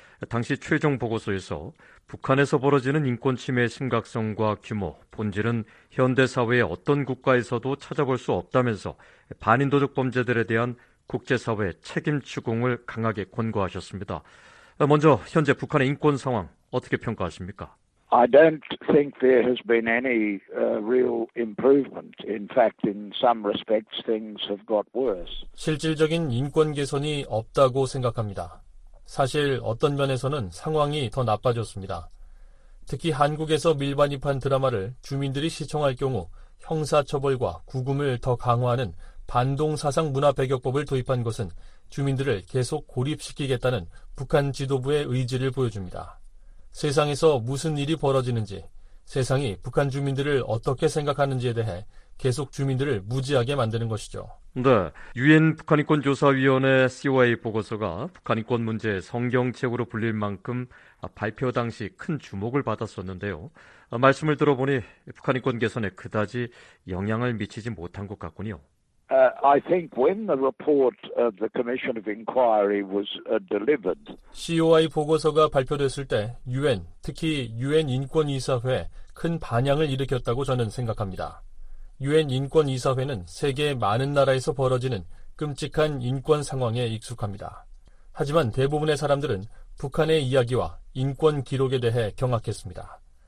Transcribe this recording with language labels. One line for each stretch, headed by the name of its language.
Korean: 당시 최종 보고서에서 북한에서 벌어지는 인권침해의 심각성과 규모, 본질은 현대사회의 어떤 국가에서도 찾아볼 수 없다면서 반인도적 범죄들에 대한 국제사회의 책임 추궁을 강하게 권고하셨습니다. 먼저 현재 북한의 인권 상황 어떻게 평가하십니까?
English: I don't think there has been any real improvement. In fact, in some respects, things have got worse.
Korean: 실질적인 인권 개선이 없다고 생각합니다. 사실 어떤 면에서는 상황이 더 나빠졌습니다. 특히 한국에서 밀반입한 드라마를 주민들이 시청할 경우 형사처벌과 구금을 더 강화하는 반동사상 문화배격법을 도입한 것은 주민들을 계속 고립시키겠다는 북한 지도부의 의지를 보여줍니다. 세상에서 무슨 일이 벌어지는지, 세상이 북한 주민들을 어떻게 생각하는지에 대해 계속 주민들을 무지하게 만드는 것이죠. 네, 유엔 북한인권조사위원회 COA 보고서가 북한인권 문제의 성경책으로 불릴 만큼 발표 당시 큰 주목을 받았었는데요. 말씀을 들어보니 북한인권 개선에 그다지 영향을 미치지 못한 것 같군요.
English: I think when the report of the Commission of Inquiry was delivered,
Korean: COI 보고서가 발표됐을 때 UN, 특히 UN 인권이사회에 큰 반향을 일으켰다고 저는 생각합니다. UN 인권이사회는 세계 많은 나라에서 벌어지는 끔찍한 인권 상황에 익숙합니다. 하지만 대부분의 사람들은 북한의 이야기와 인권 기록에 대해 경악했습니다.